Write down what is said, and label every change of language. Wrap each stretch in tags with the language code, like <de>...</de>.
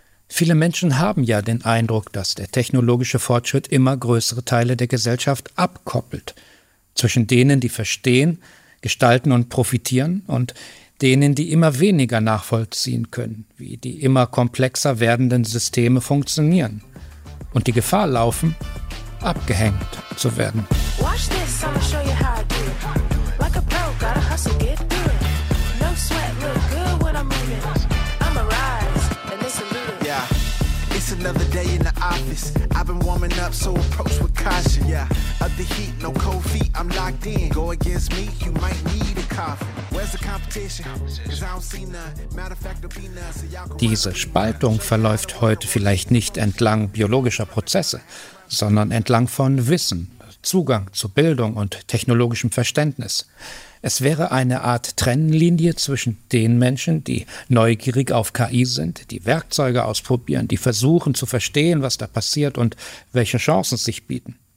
<de>Viele Menschen haben ja den Eindruck, dass der technologische Fortschritt immer größere Teile der Gesellschaft abkoppelt. Zwischen denen, die verstehen, gestalten und profitieren und denen, die immer weniger nachvollziehen können, wie die immer komplexer werdenden Systeme funktionieren. Und die Gefahr laufen, abgehängt zu werden.</de> <en>Watch this, I'm gonna show you how I do. Like a pro, gotta hustle, get through. No sweat, look good when I'm moving. I'ma rise, and it's a move. Yeah, it's another day in the office. I've been warming up, so approach with caution. Yeah, up the heat, no cold feet, I'm locked in. Go against me, you might need a coffin. Where's the competition? Cause I don't see none. Matter of fact, there'll be none. So y'all can...</en> <de>Diese Spaltung verläuft heute vielleicht nicht entlang biologischer Prozesse, sondern entlang von Wissen, Zugang zu Bildung und technologischem Verständnis. Es wäre eine Art Trennlinie zwischen den Menschen, die neugierig auf KI sind, die Werkzeuge ausprobieren, die versuchen zu verstehen, was da passiert und welche Chancen sich bieten.</de>